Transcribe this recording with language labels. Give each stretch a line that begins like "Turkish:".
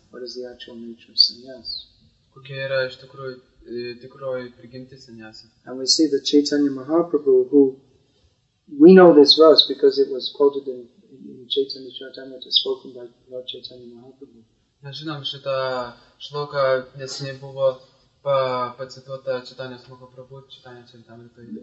English: What is the actual nature of sannyas?
Lithuanian: Kokia yra iš tikrųjų tikroji prigimtis sannyasa?
English: And we see that Chaitanya Mahaprabhu, who we know this verse because it was quoted in Chaitanya Charitamrita, spoken by Lord Chaitanya Mahaprabhu.
Lithuanian: Mes žinom šitą šloką, nes jis buvo pacituota Chaitanya Mahaprabhu, Chaitanya Charitamrita.